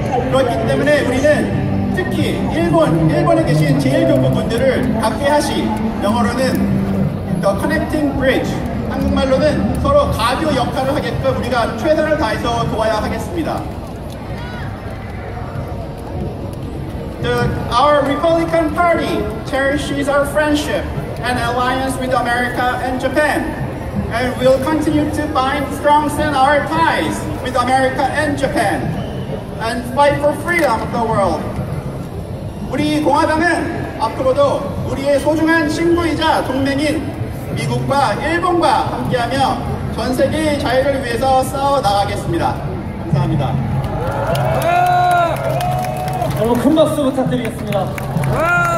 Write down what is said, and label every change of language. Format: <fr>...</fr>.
<ko>그렇기 때문에 우리는 특히 일본에 계신 제1교포분들을 가케하시 영어로는</ko> <en>The Connecting Bridge</en> <ko>한국말로는 서로 가교 역할을 하게끔 우리가 최선을 다해서 도와야 하겠습니다.</ko> <en>Our Republican Party cherishes our friendship and alliance with America and Japan, and will continue to bind strong and our ties with America and Japan, and fight for freedom of the world.</en> <ko>우리 공화당은 앞으로도 우리의 소중한 친구이자 동맹인 미국과 일본과 함께하며 전 세계의 자유를 위해서 싸워 나가겠습니다. 감사합니다. 너무 큰 박수 부탁드리겠습니다.</ko>